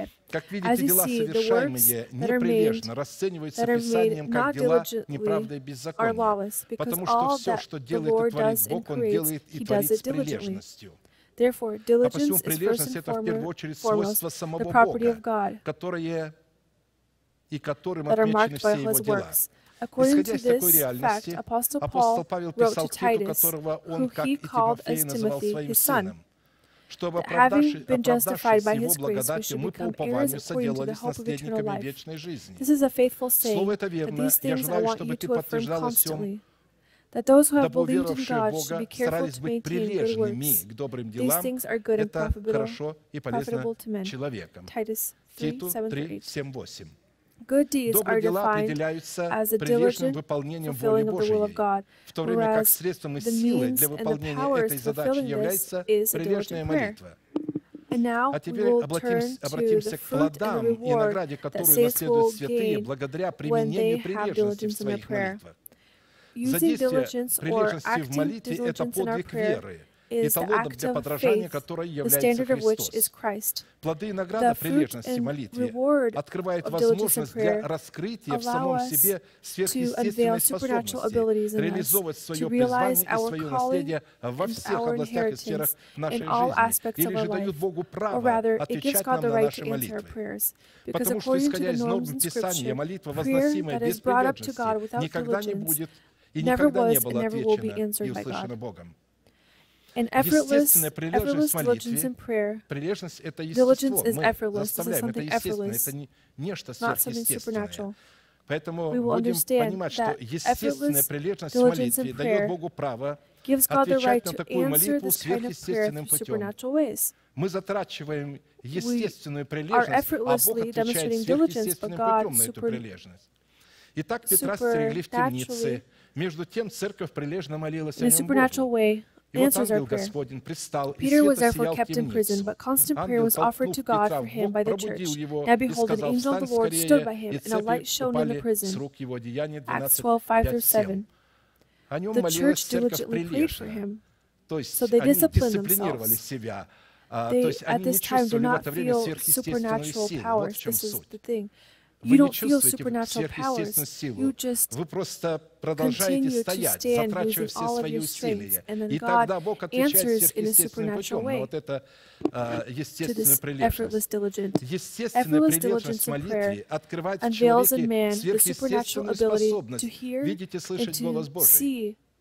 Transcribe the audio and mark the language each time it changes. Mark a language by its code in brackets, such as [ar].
[ru] Как видите, дела, совершаемые неприлежно, расцениваются Писанием как дела неправды и беззакония, потому что все, что делает и творит Бог, Он делает и творит с прилежностью. А посему прилежность – это в первую очередь свойство самого Бога, которое и которым отмечены все Его дела. [en] According to this fact, Apostle Paul wrote to Titus, who he called as Timothy, his son, that having been justified by his grace, we should become heirs according to the hope of eternal life. This is a faithful saying, but these things I want you to affirm constantly, that those who have believed in God should be careful to maintain good works. These things are good and profitable to men. Titus 3:7-8. Good deeds are defined as a diligent fulfilling of the will of God, whereas the means and the powers for fulfilling this is a diligent prayer. And now we will turn to the fruit and the reward that saints will gain when they have diligence in their prayer. Using diligence or acting diligence in our prayer is the act of faith, the standard of which is Christ. [ru] Плоды и награда прилежности молитве открывают возможность для раскрытия в самом себе сверхъестественной способности реализовывать свое призвание и свое наследие во всех областях и сферах нашей жизни, или же дают Богу право отвечать нам на наши молитвы. Потому что, исходя из норм Писания, молитва, возносимая без прилежности, никогда не будет и никогда не была отвечена и услышана Богом. [en] And effortless diligence in prayer. Diligence is effortless. This is something effortless, not something supernatural. [ru] Поэтому [en] we will understand that effortless diligence in prayer gives God the right to answer this kind of prayer in supernatural ways. [ru] Мы затрачиваем естественную прилежность, а Бог отвечает сверхъестественным путем на эту прилежность. Итак, Петра стерегли в темнице. Между тем церковь прилежно молилась о Нем Богу. И вот ангел Господень пристал, и свет осиял темницу. [en] But constant prayer was offered to God for him by the church. Now behold, an angel of the Lord stood by him, and a light shone in the prison. Acts 12:5-7. The church diligently prayed for him. So they disciplined themselves. They at this time did not feel supernatural powers. This is the thing. [ru] Вы не чувствуете сверхъестественную силу. Вы просто продолжаете стоять, затрачивая все свои усилия. И тогда Бог отвечает сверхъестественным путем на вот это естественную прилежность. Естественная прилежность в молитве открывает в человеке сверхъестественную способность видеть и слышать голос Божий.